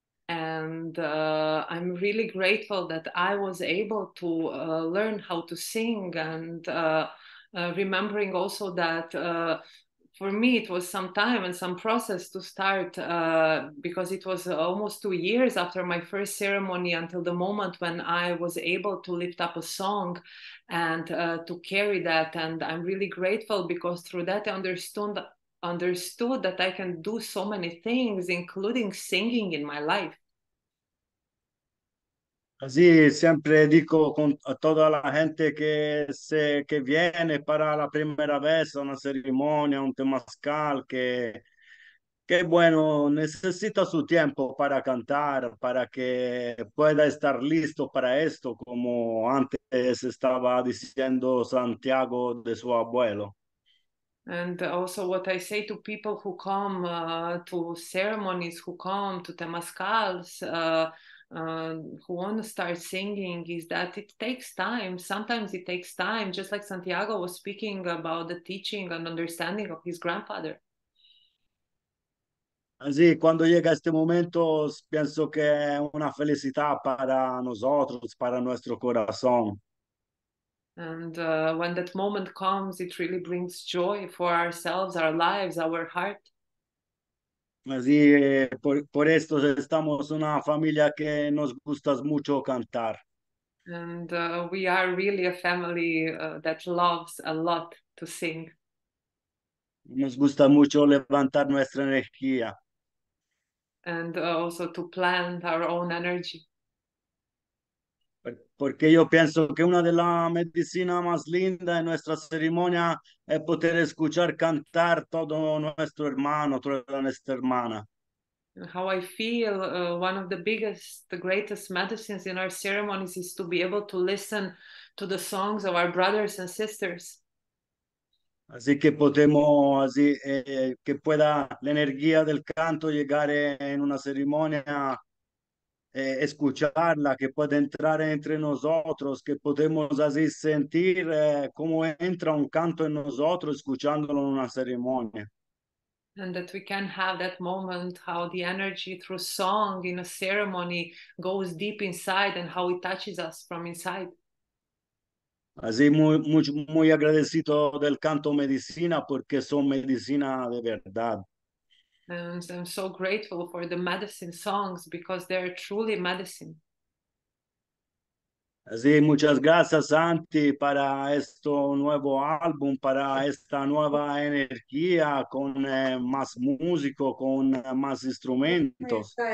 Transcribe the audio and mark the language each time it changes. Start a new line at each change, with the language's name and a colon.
English: And I'm really grateful that I was able to learn how to sing and remembering also that for me it was some time and some process to start because it was almost 2 years after my first ceremony until the moment when I was able to lift up a song and to carry that. And I'm really grateful because through that I understood that I can do so many things, including singing in my life.
Spanish: Así siempre digo con a toda la gente que viene para la primera vez a una ceremonia, un temazcal, que bueno, necesita su tiempo para cantar, para que pueda estar listo para esto, como antes estaba diciendo Santiago de su abuelo.
English: And also what I say to people who come to ceremonies, who come to temazcals, who want to start singing is that it takes time. Sometimes it takes time, just like Santiago was speaking about the teaching and understanding of his grandfather.
Italian: Sì, quando
Spanish: llega este momento,
Italian: penso
Spanish: que
Italian: è una felicità
Spanish: para nosotros, para nuestro corazón.
English: And when that moment comes, it really brings joy for ourselves, our lives, our heart.
Spanish: Sì, por esto estamos una familia que nos gusta mucho cantar.
English: And we are really a family that loves a lot to sing.
Spanish: Nos gusta mucho levantar nuestra energía.
English: And also to plant our own energy.
Spanish: Porque yo pienso que una de las medicinas más lindas en nuestra ceremonia es poder escuchar cantar todo nuestro hermano, toda nuestra hermana.
English: How I feel, one of the biggest, the greatest medicines in our ceremonies is to be able to listen to the songs of our brothers and sisters.
Spanish: Así que podemos, así que pueda la energía del canto llegar en una ceremonia, escucharla, que pueda entrar entre nosotros, que podemos así sentir cómo entra un canto en nosotros escuchándolo en una ceremonia.
English: And that we can have that moment, how the energy through song in a ceremony goes deep inside and how it touches us from inside.
Spanish: Así muy, muy agradecido del canto medicina porque son medicina de verdad.
English: And I'm so grateful for the medicine songs because they are truly medicine.
Spanish: Así muchas gracias Santi para este nuevo álbum, para esta nueva energía con más músicos, con más instrumentos.